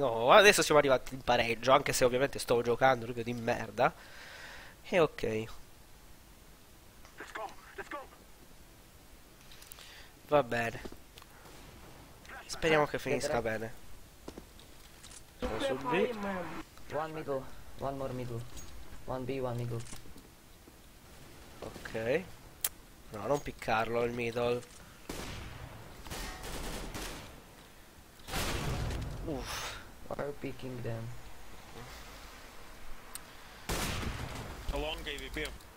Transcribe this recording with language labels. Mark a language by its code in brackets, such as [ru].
[it] Oh, adesso siamo arrivati in pareggio, anche se ovviamente sto giocando proprio di merda. E ok. Va bene. Speriamo che finisca bene. Sono su B. [en] One middle, one more middle. One B, one middle. Ok. [it] No, non piccarlo il middle. Uff. [en] Are you picking them? Along AVP.